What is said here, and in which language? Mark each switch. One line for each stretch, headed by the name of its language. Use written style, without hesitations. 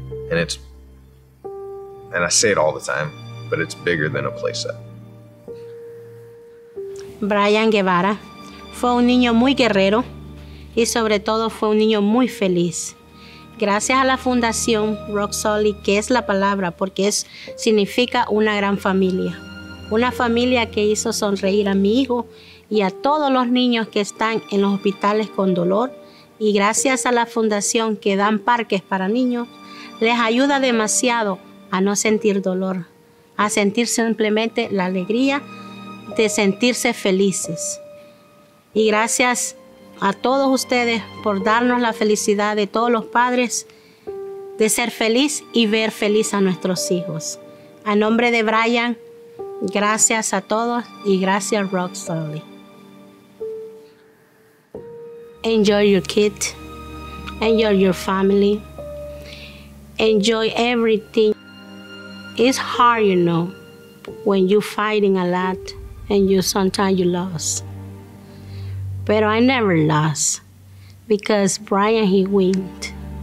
English: And I say it all the time, but it's bigger than a playset.
Spanish: Brian Guevara fue un niño muy guerrero y sobre todo fue un niño muy feliz. Gracias a la Fundación Roc Solid, que es la palabra, porque es, significa una gran familia. Una familia que hizo sonreír a mi hijo y a todos los niños que están en los hospitales con dolor. Y gracias a la fundación que dan parques para niños, les ayuda demasiado a no sentir dolor, a sentir simplemente la alegría de sentirse felices. Y gracias a todos ustedes por darnos la felicidad de todos los padres de ser feliz y ver feliz a nuestros hijos. A nombre de Brian, gracias a todos y gracias Roc Solid.
English: Enjoy your kid, enjoy your family, enjoy everything. It's hard, you know, when you're fighting a lot and you sometimes you lost. But I never lost because Brian, he went.